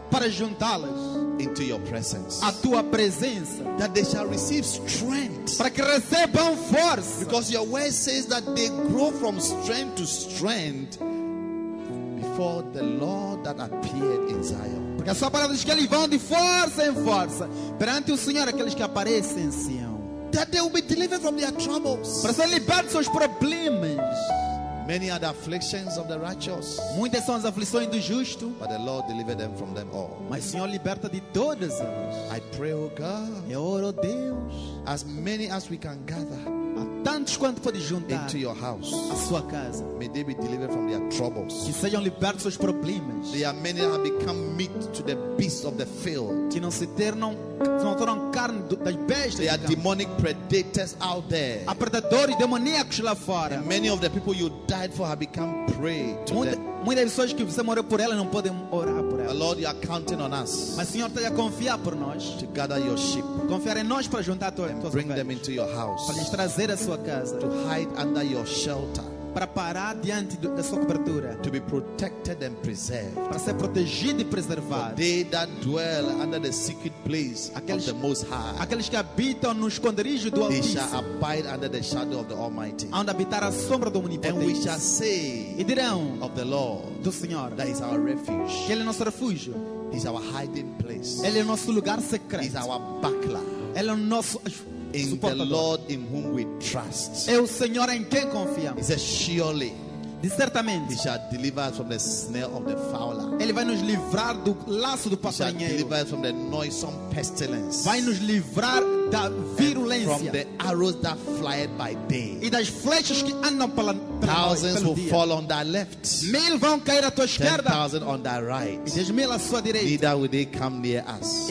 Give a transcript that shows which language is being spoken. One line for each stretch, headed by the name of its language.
Portuguese: Para juntá-las.
English: Into your presence.
Portuguese: A tua presença.
English: That they shall receive strength.
Portuguese: Para que recebam força.
English: Because your word says that they grow from strength to strength before the Lord that appeared in Zion.
Portuguese: Porque a sua palavra diz que eles vão de força em força perante o Senhor, aqueles que aparecem em Sião.
English: That they will be delivered from their troubles.
Portuguese: Para serem libertos dos problemas.
English: Many are the afflictions of the righteous.
Portuguese: Muitas são as aflições do justo.
English: But the Lord delivered them from them all.
Portuguese: Mas o Senhor liberta de todas elas.
English: I pray, oh God.
Portuguese: Eu oro, Deus.
English: As many as we can gather.
Portuguese: A tantos quanto pode juntar.
English: Into your house.
Portuguese: A sua casa.
English: May they be delivered from their troubles.
Portuguese: Que sejam libertos dos problemas.
English: There are many that have become meat to the beasts of the field.
Portuguese: Que não se tornam carne das bestas.
English: There are demonic predators out there.
Portuguese: Há predadores demoníacos lá fora.
English: And many of the people you died for have become prey to
Portuguese: muitas pessoas que você morreu por elas não podem orar por elas.
English: The Lord, you are counting on us.
Portuguese: Mas Senhor, tu estás a confiar por nós.
English: To gather your sheep.
Portuguese: Confiar em nós para juntar tuas ovelhas.
English: Bring them into your house.
Portuguese: Para lhes trazer a sua casa.
English: To hide under your shelter.
Portuguese: Para parar diante da sua cobertura.
English: To be protected and preserved.
Portuguese: Para ser protegido e preservado.
English: They that dwell under the secret place
Portuguese: aqueles,
English: of the Most High.
Portuguese: Aqueles que habitam no esconderijo do Altíssimo.
English: They shall abide under the shadow of the Almighty.
Portuguese: Onde habitar a sombra do Onipotente.
English: And we shall say
Portuguese: e dirão,
English: of the Lord
Portuguese: do Senhor,
English: that is our refuge.
Portuguese: Que ele é nosso refúgio.
English: He is our hiding place.
Portuguese: Ele é nosso lugar secreto.
English: He is our buckler.
Portuguese: Ele é nosso
English: In
Portuguese: suportador.
English: The Lord in whom we trust.
Portuguese: É o Senhor em quem confiamos.
English: He says, surely.
Portuguese: De certamente.
English: He shall deliver us from the snare of the fowler.
Portuguese: Ele vai nos livrar do laço do passarinheiro.
English: He shall deliver us from the noisome pestilence.
Portuguese: Vai nos livrar da virulência.
English: And from the arrows that fly by day.
Portuguese: E das flechas que andam pela noite.
English: Thousands
Portuguese: pelo
English: will
Portuguese: dia.
English: Fall on thy left.
Portuguese: Mil vão cair à tua esquerda.
English: 10,000 on thy right.
Portuguese: E 10,000 à sua direita.
English: Neither will they come near us.